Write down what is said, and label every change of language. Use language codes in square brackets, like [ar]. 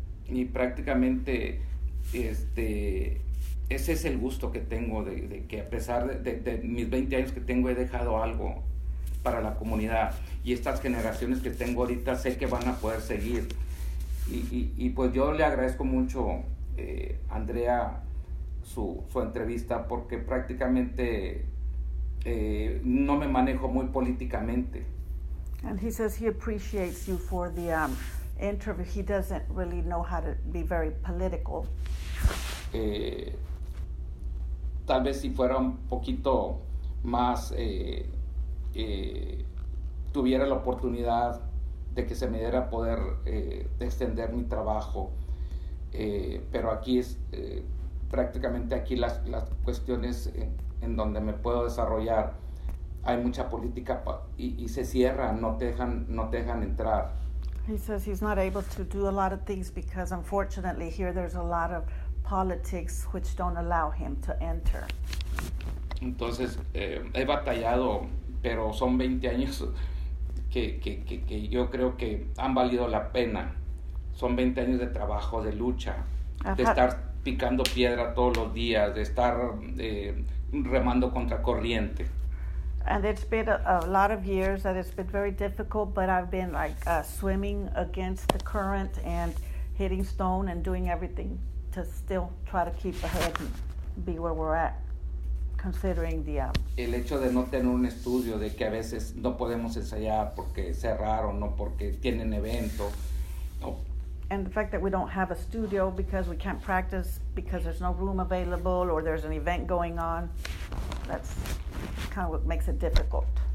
[es] Y prácticamente ese es el gusto que tengo de que a pesar de mis 20 años que tengo, he dejado algo para la comunidad, y estas generaciones que tengo ahorita sé que van a poder seguir, y pues yo le agradezco mucho a Andrea su entrevista, porque prácticamente no me manejo muy políticamente. [en] And he says he appreciates you for the interview. He doesn't really know how to be very political. [es] Tal vez si fuera un poquito más tuviera la oportunidad de que se me diera poder extender mi trabajo, pero aquí es prácticamente aquí las cuestiones en donde me puedo desarrollar, hay mucha política y se cierran, no te dejan entrar. [en] He says he's not able to do a lot of things because, unfortunately, here there's a lot of politics which don't allow him to enter. [es] Entonces, he batallado, pero son 20 años que yo creo que han valido la pena. Son 20 años de trabajo, de lucha, de estar picando piedra todos los días, de estar remando contra corriente. [en] And it's been a lot of years that it's been very difficult, but I've been like swimming against the current and hitting stone and doing everything to still try to keep ahead and be where we're at, considering the... [es] El hecho de no tener un estudio, de que a veces no podemos ensayar porque cerraron, no porque tienen evento. No. [en] And the fact that we don't have a studio because we can't practice because there's no room available or there's an event going on, that's... kind of what makes it difficult.